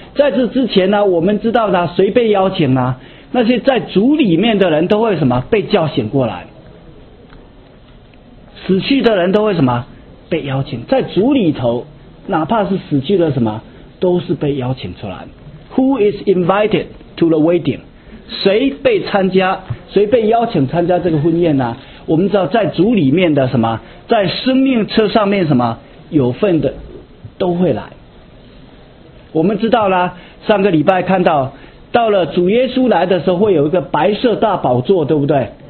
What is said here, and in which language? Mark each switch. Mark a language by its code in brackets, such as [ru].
[zh] 在这之前呢，我们知道呢，谁被邀请呢？那些在族里面的人都会什么被叫醒过来，死去的人都会什么被邀请，在族里头，哪怕是死去的什么，都是被邀请出来。 [en] Who is invited to the wedding? [zh] 谁被参加，谁被邀请参加这个婚宴呢？我们知道在主里面的什么，在生命册上面什么有份的都会来。我们知道啦，上个礼拜看到到了主耶稣来的时候会有一个白色大宝座，对不对？